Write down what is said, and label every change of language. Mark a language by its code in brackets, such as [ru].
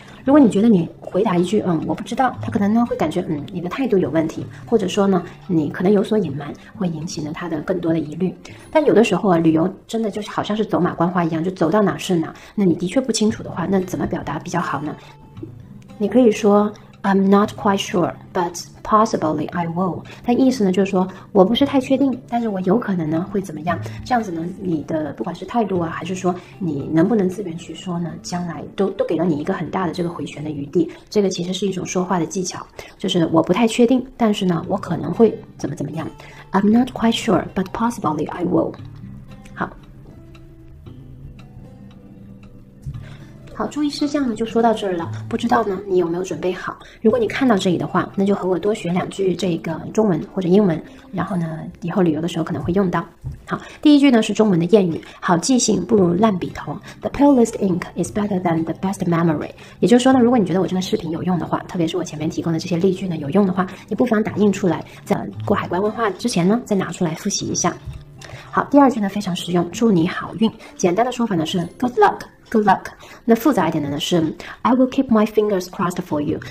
[zh] 如果你觉得你回答一句我不知道，他可能呢会感觉你的态度有问题，或者说呢你可能有所隐瞒，会引起了他的更多的疑虑。但有的时候旅游真的就好像是走马观花一样，就走到哪是哪，那你的确不清楚的话，那怎么表达比较好呢？你可以说 [en] I'm not quite sure, but possibly I will. [zh] 它意思呢就是说我不是太确定，但是我有可能呢会怎么样。这样子呢，你的不管是态度啊，还是说你能不能自圆其说呢，将来都给了你一个很大的这个回旋的余地。这个其实是一种说话的技巧，就是我不太确定，但是呢我可能会怎么怎么样。 [en] I'm not quite sure, but possibly I will. [zh] 好，注意事项呢就说到这儿了。不知道呢你有没有准备好，如果你看到这里的话，那就和我多学两句这个中文或者英文，然后呢以后旅游的时候可能会用到。好，第一句呢是中文的谚语，好记性不如烂笔头。 [en] The palest ink is better than the best memory. [zh] 也就是说呢，如果你觉得我这个视频有用的话，特别是我前面提供的这些例句呢有用的话，你不妨打印出来，在过海关问话之前呢再拿出来复习一下。好，第二句呢非常实用，祝你好运。简单的说法呢是 [en] good luck,Good luck. [zh] 那复杂一点的呢是 [en] I will keep my fingers crossed for you.